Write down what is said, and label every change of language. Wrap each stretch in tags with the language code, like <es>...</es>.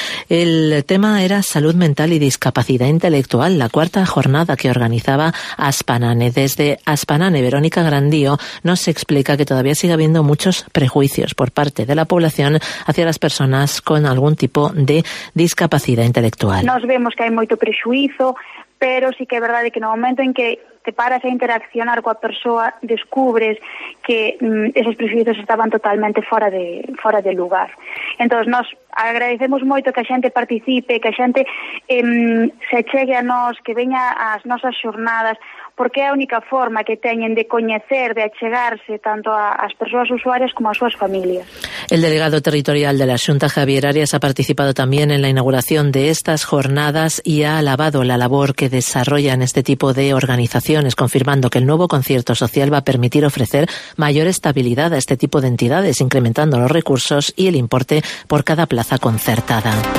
<es>El tema era salud mental y discapacidad intelectual, la cuarta jornada que organizaba Aspanane. Desde Aspanane, Verónica Grandío nos explica que todavía sigue habiendo muchos prejuicios por parte de la población hacia las personas con algún tipo de discapacidad intelectual.</es> <gl>Nos vemos que hay moito prexuízo, pero sí que é verdade que no momento en que te paras a interaccionar coa persoa, descubres que esos prexuízos estaban totalmente fora de lugar. Entón, nos agradecemos moito que a xente participe, que a xente se chegue a nós, que veña ás nosas xornadas, porque é a única forma que teñen de coñecer, de achegarse tanto ás persoas usuarias como ás súas familias.</gl> <es>El delegado territorial de la Xunta, Javier Arias, ha participado tamén en la inauguración de estas jornadas e ha alabado la labor que desarrollan este tipo de organizaciones, confirmando que el nuevo concierto social va a permitir ofrecer mayor estabilidad a este tipo de entidades, incrementando los recursos y el importe por cada plaza concertada.</es>